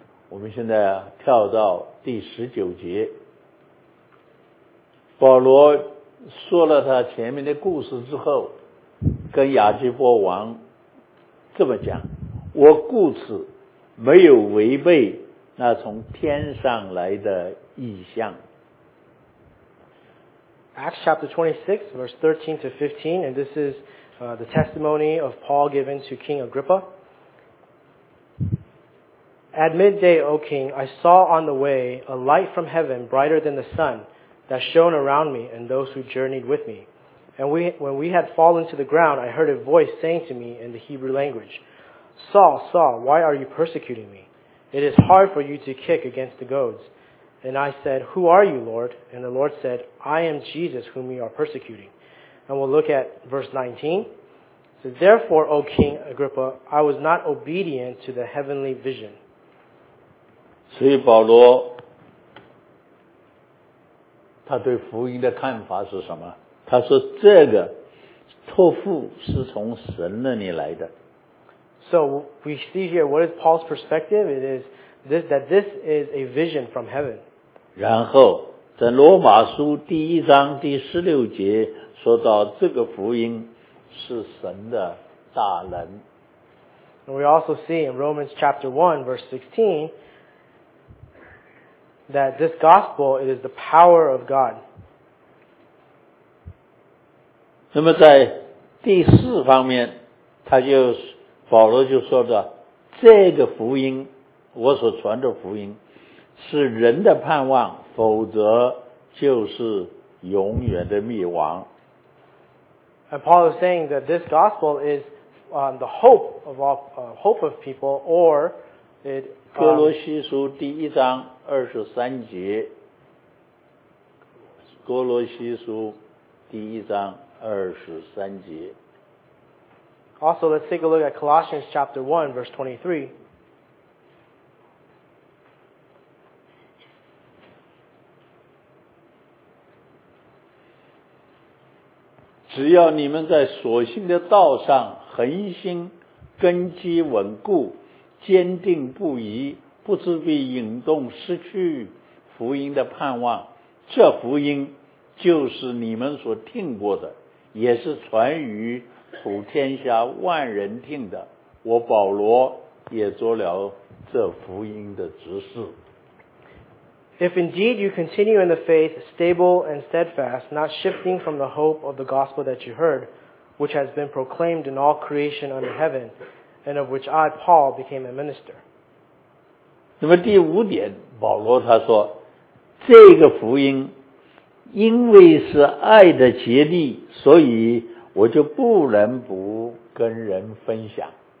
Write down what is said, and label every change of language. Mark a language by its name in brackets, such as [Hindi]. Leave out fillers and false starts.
[Chinese] 我们现在跳到第十九节，保罗说了他前面的故事之后，跟亚基伯王这么讲，我故此没有违背那从天上来的异象。 [English] Acts chapter 26, verse 13 to 15, and this is the testimony of Paul given to King Agrippa. At midday, O king, I saw on the way a light from heaven brighter than the sun that shone around me and those who journeyed with me. And when we had fallen to the ground, I heard a voice saying to me in the Hebrew language, Saul, Saul, why are you persecuting me? It is hard for you to kick against the goads. And I said, Who are you, Lord? And the Lord said, I am Jesus whom you are persecuting. And we'll look at verse 19. It says, Therefore, O King Agrippa, I was not obedient to the heavenly vision. [Chinese] 所以保罗他对福音的看法是什么？他说这个托付是从神那里来的。 [English] So we see here, what is Paul's perspective? It is this, that this is a vision from heaven. [Chinese] 然后在罗马书第一章第十六节说到这个福音是神的大能。 [English] And we also see in Romans chapter 1 verse 16 that this gospel, it is the power of God. [Chinese] 那么在第四方面他就保罗就说的这个福音我所传的福音是人的盼望否则就是永远的灭亡。 [English] And Paul is saying that this gospel is the hope of all, hope of people, or it. [Chinese] 哥罗西书第一章二十三节。哥罗西书第一章二十三节。 [English] Also, let's take a look at Colossians chapter 1, verse 23. [Chinese] 只要你们在所信的道上恒心根基稳固坚定不移不知被引动失去福音的盼望这福音就是你们所听过的也是传于普天下万人听的我保罗也做了这福音的执事。 [English] If indeed you continue in the faith, stable and steadfast, not shifting from the hope of the gospel that you heard, which has been proclaimed in all creation under heaven, and of which I, Paul, became a minister. [Chinese] 那么第五点，保罗他说，这个福音，因为是爱的竭力，所以我就不能不跟人分享。